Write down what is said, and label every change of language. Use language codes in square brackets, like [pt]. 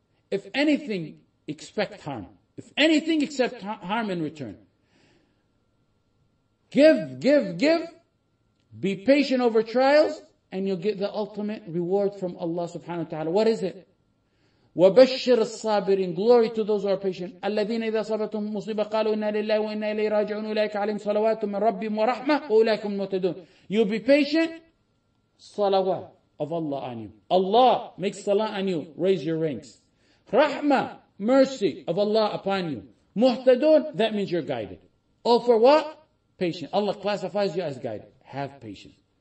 [en] If anything, expect harm. If anything, accept harm in return. Give, give, give. Be patient over trials, and you'll get the ultimate reward from Allah subhanahu wa ta'ala. What is it? [ar] وبشر الصابرين, [en] glory to those who are patient. [ar] الذين إذا صابتهم مصيبة قالوا إنا لله وإنا إليه راجعون أولئك عليهم صلوات من ربهم ورحمة وأولئك هم المهتدون. [en] You be patient, salawat of Allah on you. Allah makes salah on you, raise your ranks. Rahma, mercy of Allah upon you. Muhtadun, that means you're guided. All for what? Patient. Allah classifies you as guided. Have patience.